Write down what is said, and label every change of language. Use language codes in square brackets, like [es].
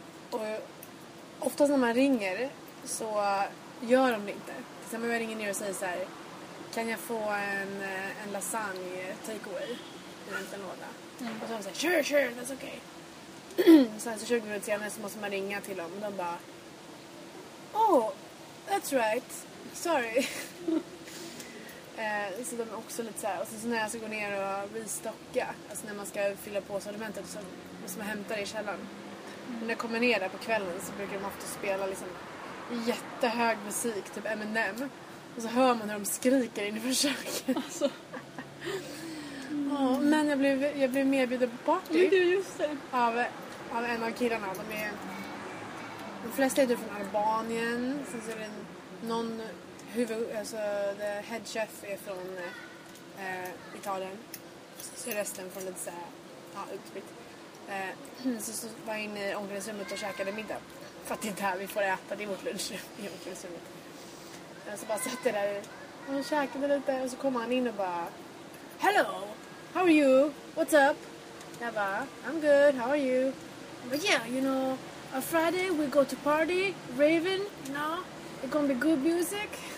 [sv] Och oftast när man ringer så gör de det inte. Till exempel jag ringer ner och säger så här, kan jag få en lasagne takeaway i en liten låda? Och så har de så här, sure, that's okay. Sen så 20 minuter senare så måste man ringa till dem. [en] Och de bara, oh, that's right, sorry. [sv] Så de är också lite så här. Och sen så när jag ska gå ner och restocka, alltså när man ska fylla på sortimentet, så måste man hämta det i källaren. Men när jag kommer ner där på kvällen så brukar de ofta spela liksom jättehög musik, typ Eminem. Och så hör man hur de skriker in i försöket. Alltså. Mm. Men jag blev medbjuden på party. Men du, just det. Av en av killarna. De flesta är från Albanien. Sen så är det någon alltså the head chef är från Italien. Så är resten från lite såhär utbytt. Så var jag inne i omklädningsrummet och käkade middag. För att det är där vi får äta, det är vårt lunch i omklädningsrummet. Så bara satt jag där och käkade lite. Och så kom han in och bara, hello, how are you? [en] What's up? Jag bara, I'm good, how are you? But yeah, you know, a Friday we go to party, Raven, no, it gonna be good music.